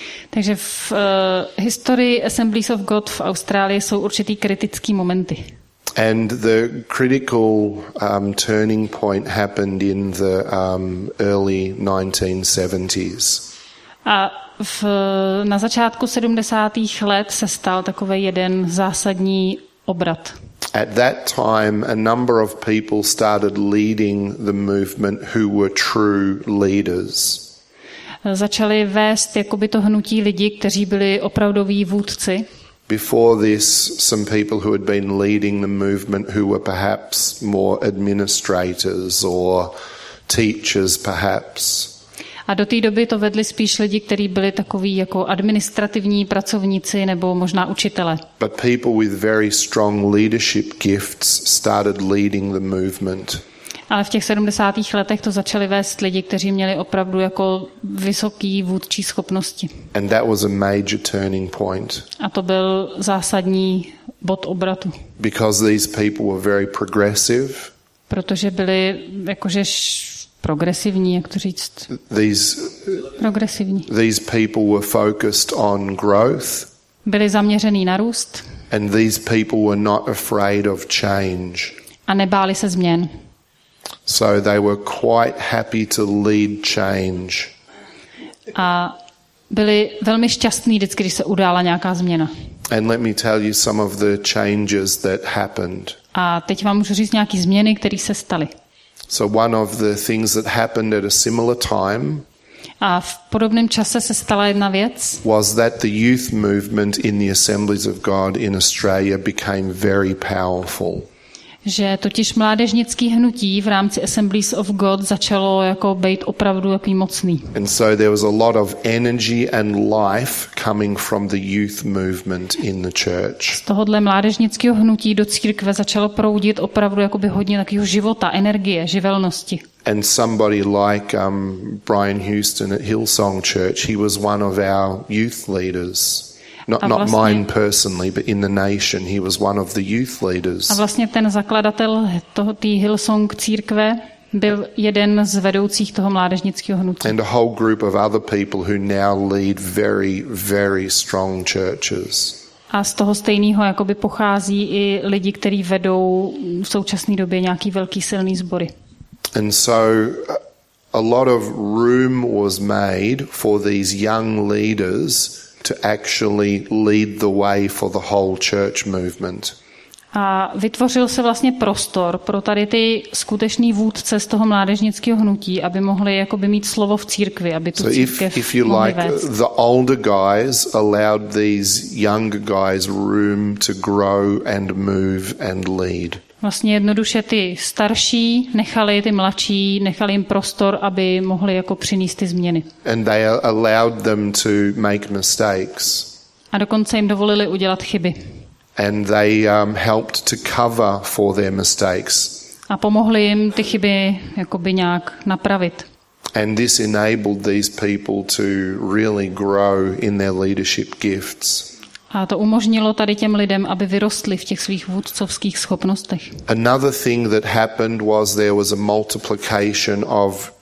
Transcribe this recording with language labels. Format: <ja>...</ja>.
<cs>Takže v historii Assemblies of God v Austrálii jsou určitý kritický momenty.</cs> <en>And the critical turning point happened in the early 1970s.</en> <cs>A na začátku 70. let se stal takový jeden zásadní obrat.</cs> <en>At that time a number of people started leading the movement who were true leaders.</en> <cs>Začali vést jakoby to hnutí lidi, kteří byli opravdoví vůdci.</cs> <en>Before this, some people who had been leading the movement who were perhaps more administrators or teachers perhaps.</en> <cs>A do té doby to vedli spíš lidi, kteří byli takoví jako administrativní pracovníci nebo možná učitelé.</cs> <en>But people with very strong leadership gifts started leading the movement.</en> <cs>Ale v těch 70. letech to začali vést lidi, kteří měli opravdu jako vysoký vůdčí schopnosti.</cs> <en>And that was a major turning point.</en> <cs>A to byl zásadní bod obratu.</cs> <en>Because these people were very progressive.</en> <cs>Protože byli jakože progresivní, jak to říct? Progresivní.</cs> <en>These people were focused on growth.</en> <cs>Byli zaměřený na růst.</cs> <en>And these people were not afraid of change.</en> <cs>A nebáli se změn.</cs> <en>So they were quite happy to lead change.</en> <cs>A byli velmi šťastní vždycky, když se udála nějaká změna.</cs> <en>And let me tell you some of the changes that happened.</en> <cs>A teď vám můžu říct nějaký změny, které se staly.</cs> <en>So one of the things that happened at a similar time.</en> <cs>A v podobném čase se stala jedna věc.</cs> <en>Was that the youth movement in the Assemblies of God in Australia became very powerful.</en> <cs>Že totiž mládežnický hnutí v rámci Assemblies of God začalo jako být opravdu jaký mocný.</cs> <en>And so there was a lot of energy and life coming from the youth movement in the church.</en> <cs>Z tohohle mládežnického hnutí do církve začalo proudit opravdu jakoby hodně takového života, energie, živelnosti.</cs> <en>And somebody like Brian Houston at Hillsong Church, he was one of our youth leaders. Not mine personally, but in the nation, he was one of the youth leaders.</en> <cs>A vlastně ten zakladatel toho tý Hillsong církve byl jeden z vedoucích toho mládežnického hnutí.</cs> <en>And a whole group of other people who now lead very, very strong churches.</en> <cs>A z toho stejného jakoby pochází i lidi, kteří vedou v současné době nějaký velký silný sbory.</cs> <en>And so a lot of room was made for these young leaders to actually lead the way for the whole church movement.</en> <cs>A vytvořil se vlastně prostor pro tady ty skutečný vůdce z toho mládežnického hnutí, aby mohli jakoby mít slovo v církvi, aby tu církev mohli vést.</cs> <en>The older guys allowed these younger guys room to grow and move and lead.</en> <cs>Vlastně jednoduše ty starší nechali ty mladší, nechali jim prostor, aby mohli jako přinést ty změny.</cs> <en>And they allowed them to make mistakes.</en> <cs>A dokonce jim dovolili udělat chyby.</cs> <en>And they helped to cover for their mistakes.</en> <cs>A pomohli jim ty chyby jakoby nějak napravit.</cs> <en>And this enabled these people to really grow in their leadership gifts.</en> <cs>A to umožnilo tady těm lidem, aby vyrostli v těch svých vůdcovských schopnostech.</cs> <en>Another thing that happened was there was a multiplication of</en>